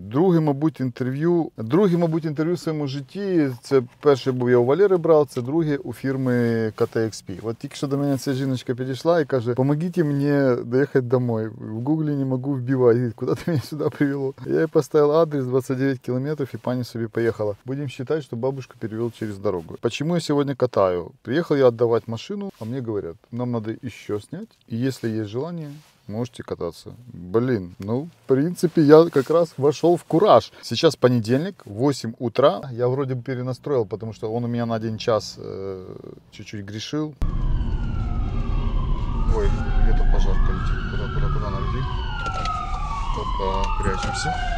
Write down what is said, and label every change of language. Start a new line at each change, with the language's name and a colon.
Ukrainian: Друге, мабуть, інтерв'ю в своєму житті. Це перше був я у Валери брав, це друге у фірми KTXP. От тільки що до мене ця жіночка підійшла і каже: «Помогіть мені доїхати домой. В Гуглі не можу вбивати. Куди ти мене сюди привело?» Я їй поставив адрес 29 кілометрів і пані собі поїхала. Будемо вважати, що бабушку перевели через дорогу. Чому я сьогодні катаю? Приїхав я віддавати машину, а мені говорять: «Нам треба ще зняти, і якщо є бажання, можете кататься».
Russian: Блин, ну, в принципе, я как раз вошел в кураж. Сейчас понедельник, 8 утра. Я вроде бы перенастроил, потому что он у меня на один час чуть-чуть грешил. Ой, где-то пожарка летит. Куда она летит? Опа, прячемся.